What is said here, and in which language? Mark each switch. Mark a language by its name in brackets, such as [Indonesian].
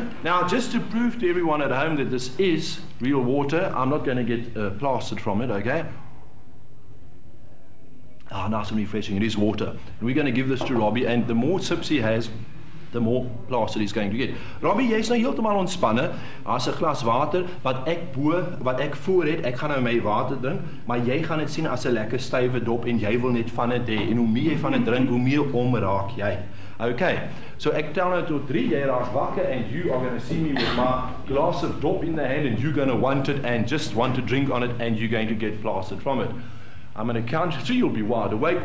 [English] Now, just to prove to everyone at home that this is real water, I'm not going to get plastered from it, okay? Ah, oh, nice and refreshing. It is water. And we're going to give this to Robbie, and the more sips he has, the more plastic he's going to get. [Afrikaans] Robbie, jy is nou heeltemal ontspanne. Daar's 'n glas water wat ek voor het. Ek gaan nou my water drink, maar jy gaan dit sien as 'n lekker stywe dop en jy wil net van dit hê. En hoe meer jy van dit drink, hoe meer omraak jy. Okay. So ek tel nou tot 3. Jy raak wakker [English] and you are going to see me with my glass of dop in the hand and you're going to want it and just want to drink on it and you're going to get plastic from it. I'm going to count to 3. You'll be wide awake.